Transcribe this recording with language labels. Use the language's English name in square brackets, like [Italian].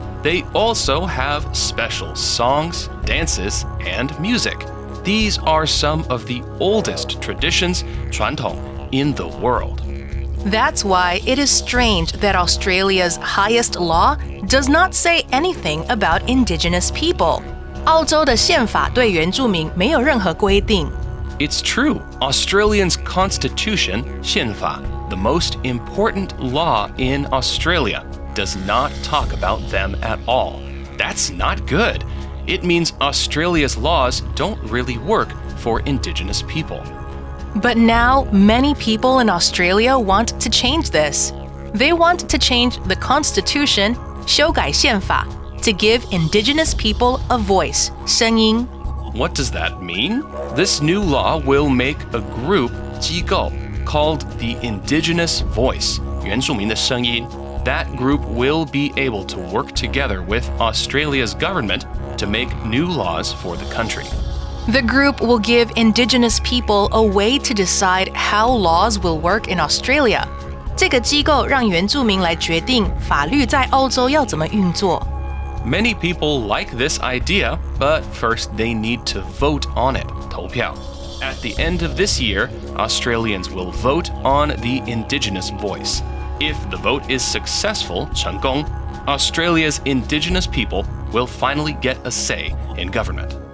[English] They also have special songs, dances, and music. These are some of the oldest traditions, 传统, in the world. That's why it is strange that Australia's highest law does not say anything about indigenous people. [Chinese] 澳洲的宪法对原住民没有任何规定。 [English] It's true. Australia's constitution, 宪法, the most important law in Australia, does not talk about them at all. That's not good. It means Australia's laws don't really work for Indigenous people. But now, many people in Australia want to change this. They want to change the Constitution, [Chinese] 修改宪法, [English] to give Indigenous people a voice, 声音. What does that mean? This new law will make a group, 机构, called the Indigenous Voice, [Chinese] 原住民的声音. [English] That group will be able to work together with Australia's government,to make new laws for the country. The group will give Indigenous people a way to decide how laws will work in Australia. [Chinese] 这个机构让原住民来决定法律在澳洲要怎么运作。 [English] Many people like this idea, but first they need to vote on it, 投票。 At the end of this year, Australians will vote on the Indigenous Voice. If the vote is successful, 成功, Australia's Indigenous peoplewill finally get a say in government.